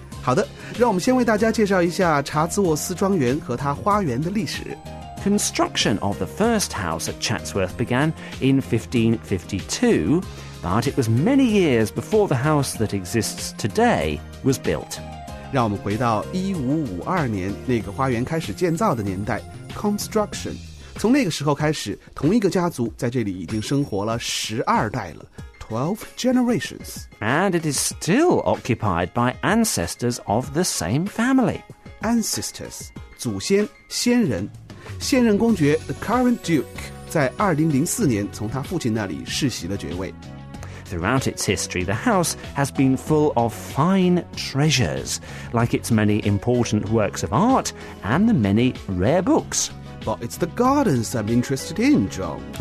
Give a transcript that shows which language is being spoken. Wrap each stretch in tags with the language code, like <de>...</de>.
<zh>好的，让我们先为大家介绍一下查兹沃斯庄园和它花园的历史。</zh> <en>Construction of the first house at Chatsworth began in 1552, but it was many years before the house that exists today was built.</en> <zh>让我们回到1552年那个花园开始建造的年代，construction。从那个时候开始, 同一个家族在这里已经生活了12代了,</zh> <en>12 generations. And it is still occupied by ancestors of the same family.</en> <zh>Ancestors, 祖先, 先人, 现任公爵,</zh> <en>the current duke,</en> <zh>在2004年从他父亲那里世袭了爵位。</zh> <en>Throughout its history, the house has been full of fine treasures, like its many important works of art and the many rare books. But it's the gardens I'm interested in, John.</en>